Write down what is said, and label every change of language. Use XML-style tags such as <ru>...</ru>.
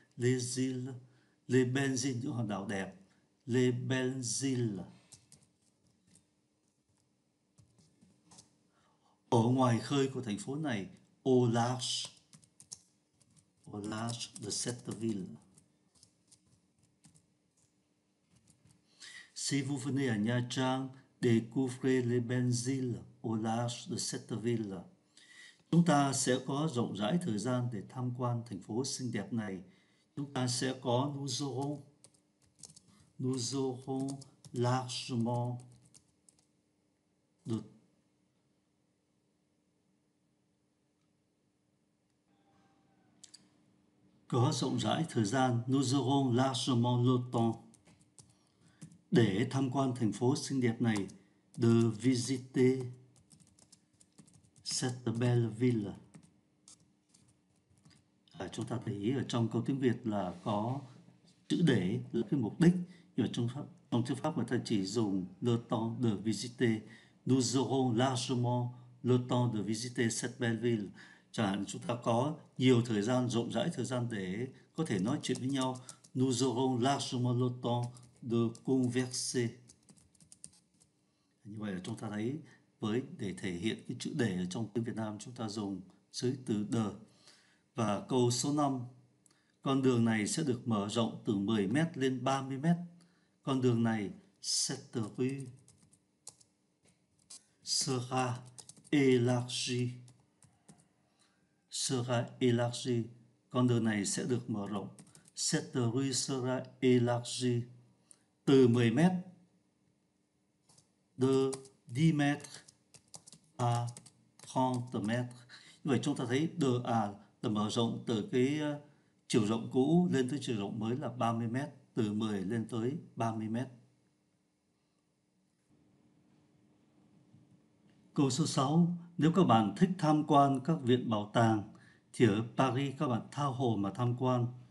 <fr>Les îles, les belles îles,</fr> <vi>những hòn đảo đẹp,</vi> <fr>les belles îles.</fr> <vi>Ở ngoài khơi của thành phố này,</vi> <fr>au large de cette ville. Si vous venez à Nha Trang, découvrez les belles îles au large de cette ville.</fr> <vi>Chúng ta sẽ có rộng rãi thời gian để tham quan thành phố xinh đẹp này. Chúng ta sẽ có</vi> <fr>nous aurons largement de.</fr> <vi>Có rộng rãi thời gian,</vi> <fr>nous aurons largement le temps</fr> <vi>để tham quan thành phố xinh đẹp này,</vi> <fr>de visiter cette belle ville.</fr> <vi>Chúng ta thấy ở trong câu tiếng Việt là có chữ để là cái mục đích, nhưng mà trong tiếng Pháp người ta chỉ dùng</vi> <fr>le temps de visiter. Nous aurons largement le temps de visiter cette belle ville.</fr> <vi>Chẳng hạn chúng ta có nhiều thời gian, rộng rãi thời gian để có thể nói chuyện với nhau.</vi> <fr>nous aurons largement le temps de converser.</fr> <vi>Như vậy là chúng ta thấy với để thể hiện cái chữ để ở trong tiếng Việt Nam chúng ta dùng dưới từ the. Và câu số 5, con đường này sẽ được mở rộng từ 10m lên 30m. Con đường này</vi> <fr>cette rue sera élargie. Sera élargie,</fr> <vi>con đường này sẽ được mở rộng.</vi> <fr>Cette rue sera élargie, từ 10m de 10 mètres à 30 mètres.</fr> <vi>Như vậy chúng ta thấy de à là mở rộng từ cái chiều rộng cũ lên tới chiều rộng mới là 30 mét, từ 10 lên tới 30 mét. Câu số 6, nếu các bạn thích tham quan các viện bảo tàng thì ở Paris các bạn tha hồ mà tham quan.</vi>